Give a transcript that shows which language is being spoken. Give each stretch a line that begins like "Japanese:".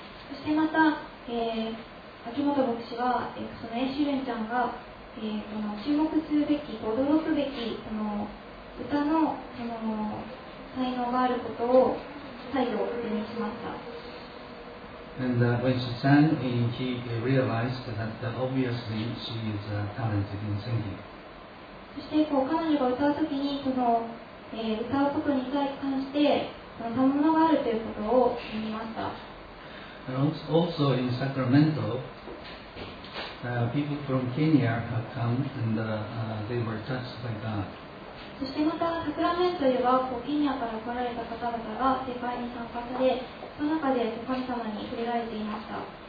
Japanese: そしてまた、秋元牧師はそのエシュレンちゃんが注目するべき、驚くべき、歌の、才能があることを再度確認しました。
English: And when she sang, he realized that obviously she is talented in singing.
Japanese: そして、彼女が歌うときに、歌うことに対して、たまものがあるということを見ました。
English: And also in Sacramento,people from Kenya had come and they were touched by God.
Japanese: そしてまたサクラメントではケニアから来られた方々が礼拝に参加され、その中で神様に触れられていました。